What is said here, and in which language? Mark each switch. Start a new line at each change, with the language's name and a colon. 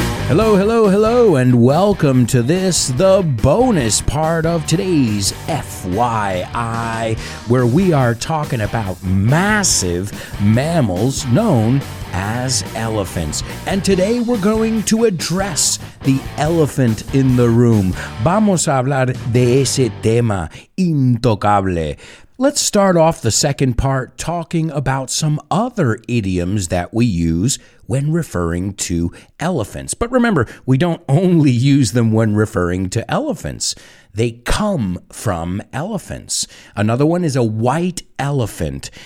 English: Hello, hello, hello, and welcome to this, the bonus part of today's FYI, where we are talking about massive mammals known as elephants. And today we're going to address the elephant in the room.
Spanish: Vamos a hablar de ese tema intocable.
English: Let's start off the second part talking about some other idioms that we use when referring to elephants. But remember, we don't only use them when referring to elephants. They come from elephants. Another one is a white elephant.